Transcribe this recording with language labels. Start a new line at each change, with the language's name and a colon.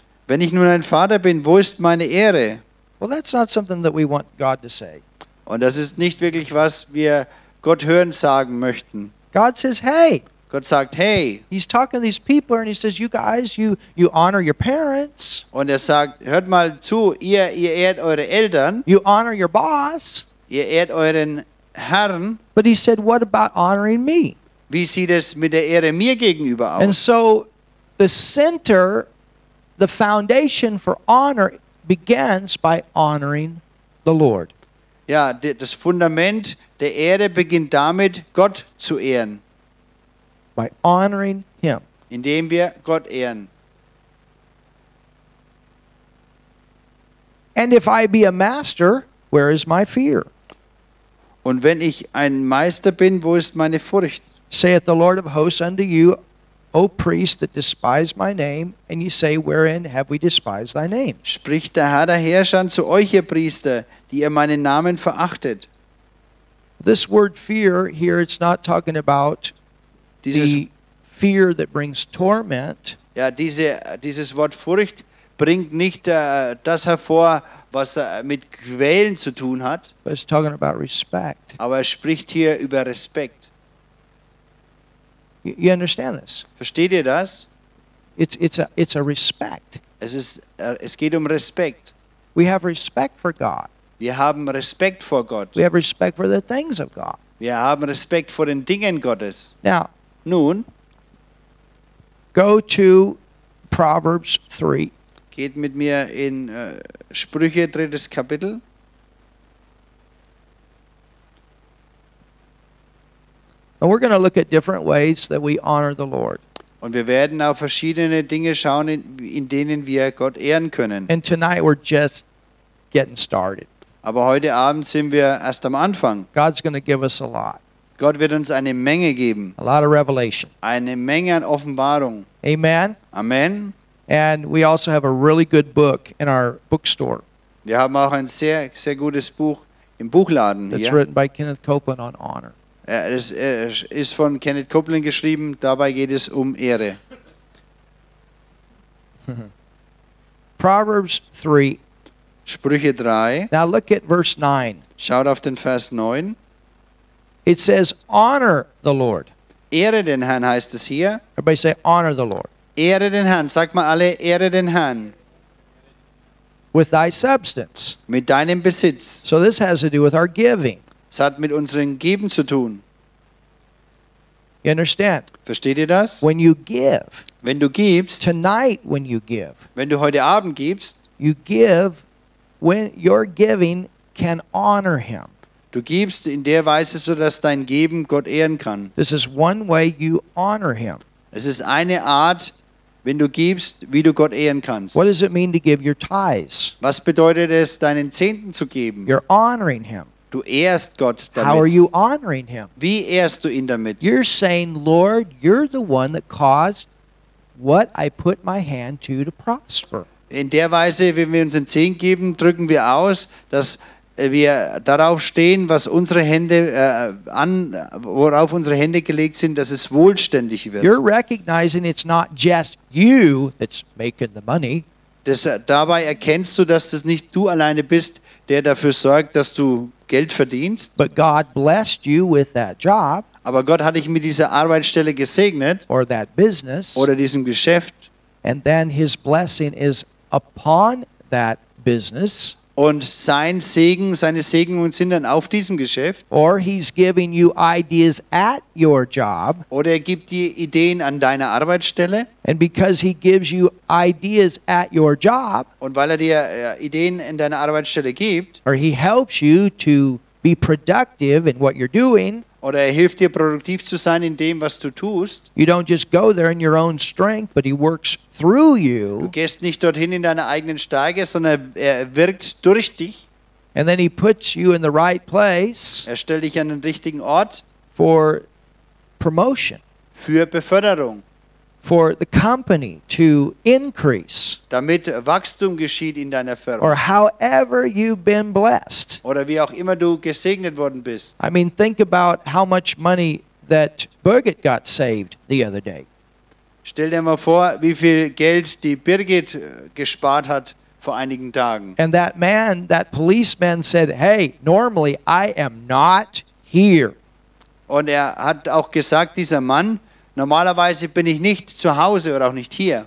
German: Wenn ich nun ein Vater bin, wo ist meine Ehre?
English: Well, that's not something that we want God to say.
German: Und das ist nicht wirklich, was wir Gott hören sagen möchten.
English: God says, hey.
German: Gott sagt, hey.
English: He's talking to these people and he says, you guys, you honor your parents.
German: Und sagt, hört mal zu, ihr ehrt eure Eltern.
English: You honor your boss.
German: Ihr ehrt euren Herrn.
English: But he said, what about honoring me?
German: Wie sieht es mit der Ehre mir gegenüber aus?
English: And so the center, the foundation for honor begins by honoring the Lord.
German: Ja, das Fundament der Ehre beginnt damit, Gott zu ehren.
English: By honoring him.
German: Indem wir Gott ehren.
English: And if I be a master, where is my fear?
German: Und wenn ich ein Meister bin, wo ist meine Furcht?
English: Saith the Lord of hosts unto you, O priest that despise my name, and ye say, wherein have we despised thy name?
German: Spricht der Herr der Herrscher zu euch, ihr Priester, die ihr meinen Namen verachtet.
English: This word fear here, it's not talking about the fear that brings torment.
German: Ja, dieses Wort Furcht bringt nicht das hervor, was mit Quälen zu tun hat.
English: But it's talking about respect.
German: Aber es spricht hier über Respekt.
English: You understand this?
German: Versteht ihr das?
English: It's a respect.
German: Es geht Respekt.
English: We have respect for God.
German: Wir haben Respekt vor Gott.
English: We have respect for the things of God.
German: Wir haben Respekt vor den Dingen Gottes.
English: Now,
German: nun,
English: go to Proverbs 3.
German: Geht mit mir in Sprüche, drittes Kapitel.
English: And we're going to look at different ways that we honor the Lord.
German: Und wir werden auf verschiedene Dinge schauen, in denen wir Gott ehren können.
English: And tonight we're just getting started.
German: Aber heute Abend sind wir erst am Anfang.
English: God's going to give us a lot.
German: Gott wird uns eine Menge geben.
English: A lot of revelation.
German: Eine Menge an Offenbarung.
English: Amen.
German: Amen.
English: And we also have a really good book in our bookstore.
German: Wir haben auch ein sehr, sehr gutes Buch im Buchladen hier.
English: It's written by Kenneth Copeland on honor.
German: Es ist von Kenneth Copeland geschrieben. Dabei geht es Ehre.
English: Proverbs 3.
German: Sprüche 3.
English: Now look at verse 9.
German: Schaut auf den Vers 9.
English: It says, honor the Lord.
German: Ehre den Herrn heißt es hier.
English: Everybody say, honor the Lord.
German: Ehre den Herrn. Sag mal alle, ehre den Herrn.
English: With thy substance.
German: Mit deinem Besitz.
English: So this has to do with our giving.
German: Es hat mit unserem Geben zu tun.
English: You understand?
German: Versteht ihr das?
English: When you give,
German: wenn du gibst,
English: tonight when you give,
German: wenn du heute Abend gibst,
English: you give when your giving can honor him.
German: Du gibst in der Weise, so dass dein Geben Gott ehren kann.
English: This is one way you honor him.
German: Es ist eine Art, wenn du gibst, wie du Gott ehren kannst.
English: What does it mean to give your tithes?
German: Was bedeutet es, deinen Zehnten zu geben?
English: You're honoring him.
German: Du ehrst Gott damit.
English: How are you honoring him?
German: Wie ehrst du ihn damit?
English: You're saying, Lord, you're the one that caused what I put my hand to prosper.
German: In der Weise, wenn wir uns den Zehnten geben, drücken wir aus, dass wir darauf stehen, was unsere Hände worauf unsere Hände gelegt sind, dass es wohlständig wird.
English: You're recognizing it's not just you that's making the money.
German: Dabei erkennst du, dass das nicht du alleine bist, der dafür sorgt, dass du Geld verdienst.
English: But God blessed you with that job.
German: Aber Gott hat dich mit dieser Arbeitsstelle gesegnet.
English: Or that business.
German: Oder diesem Geschäft.
English: And then his blessing is upon that business.
German: Und seine Segnungen sind dann auf diesem Geschäft.
English: Or he's giving you ideas at your job.
German: Oder gibt dir Ideen an deiner Arbeitsstelle.
English: And because he gives you ideas at your job.
German: Und weil dir Ideen in deiner Arbeitsstelle gibt.
English: Or he helps you to be productive in what you're doing.
German: Oder hilft dir produktiv zu sein in dem, was du tust.
English: You don't just go there in your own strength, but he works through you.
German: Du gehst nicht dorthin in deiner eigenen Stärke, sondern er wirkt durch dich.
English: And then he puts you in the right place.
German: Er stellt dich an den richtigen Ort.
English: For promotion.
German: Für Beförderung.
English: for the company to increase.
German: Damit Wachstum geschieht in deiner Firma.
English: Or however you've been blessed.
German: Oder wie auch immer du gesegnet worden bist.
English: I mean, think about how much money that Birgit got saved the other day.
German: Stell dir mal vor, wie viel Geld die Birgit gespart hat vor einigen Tagen.
English: And that man, that policeman said, hey, normally I am not here.
German: Und hat auch gesagt, dieser Mann, normalerweise bin ich nicht zu Hause oder auch nicht hier.